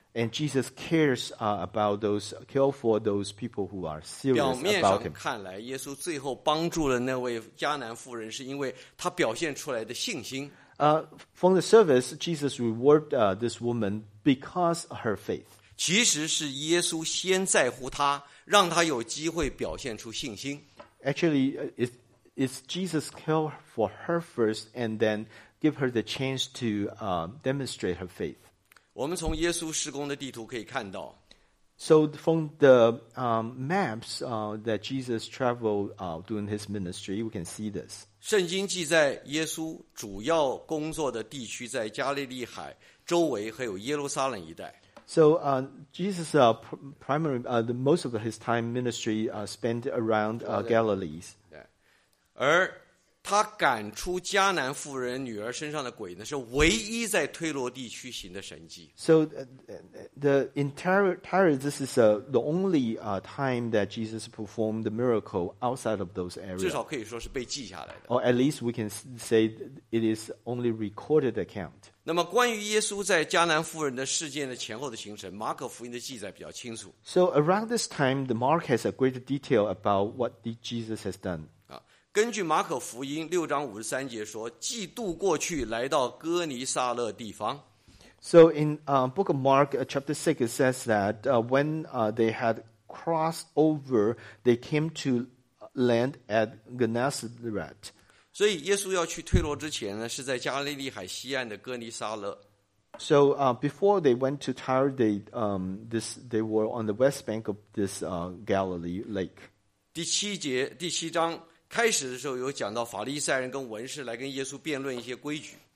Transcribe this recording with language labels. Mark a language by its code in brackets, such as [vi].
[en] And Jesus cares care for those people who are serious about him. [zh] 表面上看来，耶稣最后帮助了那位迦南妇人，是因为他表现出来的信心。 [en] From the service, Jesus rewarded this woman because of her faith. [zh] 其实是耶稣先在乎他，让他有机会表现出信心。 [en] Actually, it's Jesus care for her first and then give her the chance to demonstrate her faith. [zh] 我们从耶稣施工的地图可以看到。 [en] So from the maps that Jesus traveled during his ministry, we can see this. [zh] 圣经记载耶稣主要工作的地区在加利利海周围还有耶路撒冷一带。 [en] So Jesus primary the most of his time ministry spent around Galilee. [zh] 而他赶出迦南妇人女儿身上的鬼呢，是唯一在推罗地区行的神迹。 [en] So the entire this is the only time that Jesus performed the miracle outside of those areas. [zh] 至少可以说是被记下来的。 [en] Or at least we can say it is only recorded account. [zh] 那么关于耶稣在迦南妇人的事件的前后的行程，马可福音的记载比较清楚。 [en] So around this time, the Mark has a great detail about what Jesus has done. [zh] 根据马可福音六章五十三节说，既渡过去，来到哥尼撒勒地方。 [en] So in Book of Mark chapter 6 it says that when they had crossed over, they came to land at Gennesaret. [zh] 所以耶稣要去推罗之前呢，是在加利利海西岸的哥尼撒勒。 [en] So before they went to Tyre, they were on the west bank of this Galilee lake. [zh] 第七章。开始的时候有讲到法利赛人跟文士来跟耶稣辩论一些规矩。